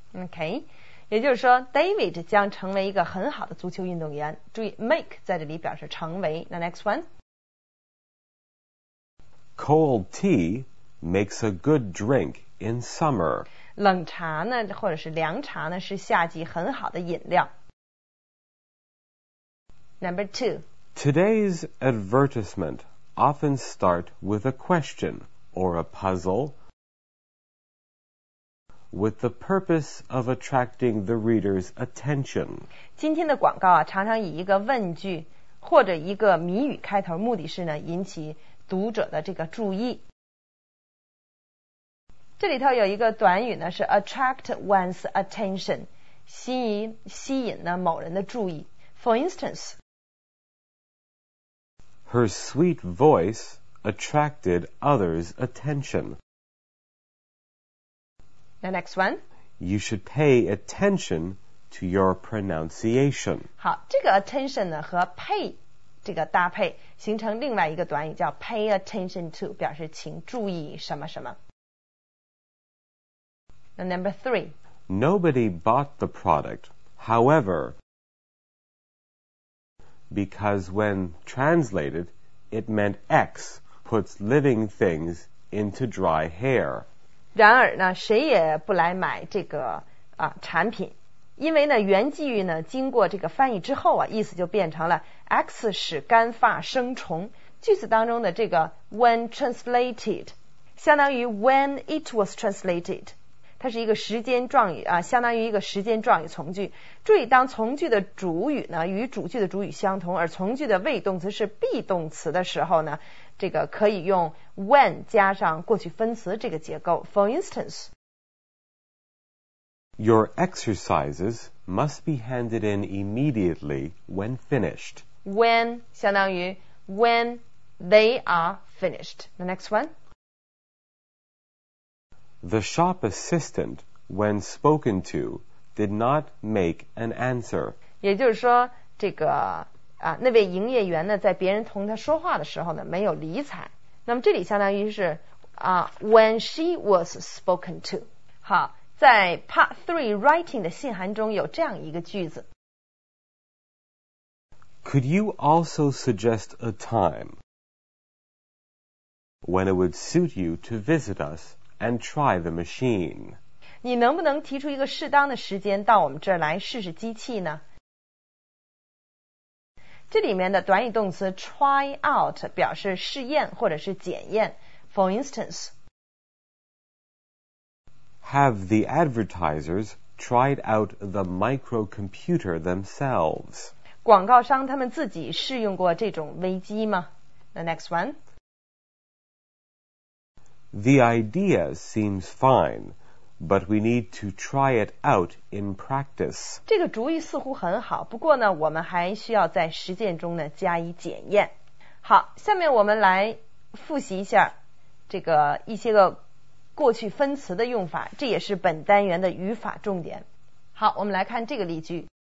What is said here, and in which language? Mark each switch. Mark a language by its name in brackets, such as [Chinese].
[Chinese] Okay, 也就是说 David 将成为一个很好的足球运动员。注意 make 在这里表示成为。 [English] The next one, cold tea makes a good drink in summer. [Chinese] 冷茶呢，或者是凉茶呢，是夏季很好的饮料。 [English] Number two. Today's advertisement often start with a question or a puzzle with the purpose of attracting the reader's attention. [Chinese] 今天的广告啊，常常以一个问句或者一个谜语开头，目的是呢，引起读者的这个注意。这里头有一个短语呢，是 attract one's attention， 吸引呢某人的注意。 [English] For instance, Her sweet voice attracted others' attention. The next one. You should pay attention to your pronunciation. [Chinese] 好，这个 attention 呢和 pay 这个搭配形成另外一个短语叫 pay attention to， 表示请注意什么什么。 [English] Now, number three. Nobody bought the product. However, because when translated, it meant X puts living things into dry hair. [Chinese] 然而呢，谁也不来买这个产品，因为呢，原句意呢，经过这个翻译之后啊，意思就变成了 X 使干发生虫。句子当中的这个 when translated 相当于 [English] when it was translated， [Chinese] 它是一个时间状语啊，相当于一个时间状语从句。注意，当从句的主语呢与主句的主语相同，而从句的谓动词是 be 动词的时候呢，这个可以用 when 加上过去分词这个结构。 [English] For instance, Your exercises must be handed in immediately when finished. When 相当于 when they are finished. The next one. The shop assistant, when spoken to,did not make an answer. [Chinese] 也就是说这个那位营业员呢在别人同他说话的时候呢没有理睬。那么这里相当于是 [English] when she was spoken to. [Chinese] 好，在 part 3 writing 的信函中有这样一个句子。 [English] Could you also suggest a time when it would suit you to visit us and try the machine? [Chinese] 你能不能提出一个适当的时间到我们这儿来试试机器呢？这里面的短语动词 try out 表示试验或者是检验。 [English] For instance, Have the advertisers tried out the microcomputer themselves? [Chinese] 广告商他们自己试用过这种微机吗？ [English] The next one. The idea seems fine. But we need to try it out in practice. [Chinese] 这个主意似乎很好，不过呢，我们还需要在实践中呢加以检验。好，下面我们来复习一下这个一些个过去分词的用法，这也是本单元的语法重点。好，我们来看这个例句。